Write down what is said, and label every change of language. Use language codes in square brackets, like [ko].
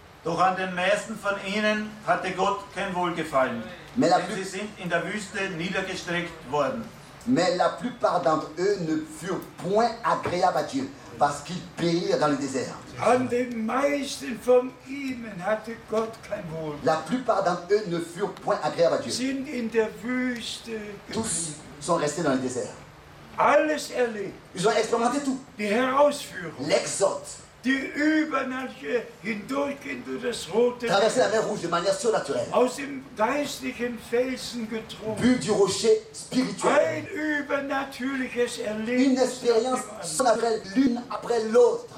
[de] Doch an den meisten von ihnen hatte Gott kein Wohlgefallen, denn sie sind in der Wüste niedergestreckt worden. [fr] Mais la plupart d'entre eux ne furent point agréables à Dieu, parce qu'ils périrent dans le désert. [de] An den meisten von ihnen hatte Gott kein Wohl. [fr] La plupart d'entre eux ne furent point agréables à Dieu. [de] Sind in der Wüste. [fr] Tous sont restés dans le désert. [de] alles erlebt. [fr] Ils ont expérimenté tout. [de] Die Herausführung. [fr] L'exode. [de] Die übernatürliche hindurch into das rote. [fr] Traverser la mer Rouge de manière surnaturelle. [de] Aus dem geistlichen Felsen getrunken. [fr] Bu du rocher spirituel. [de] Ein übernatürliches Erlebnis. [fr] Une expérience surnaturelle l'une après l'autre.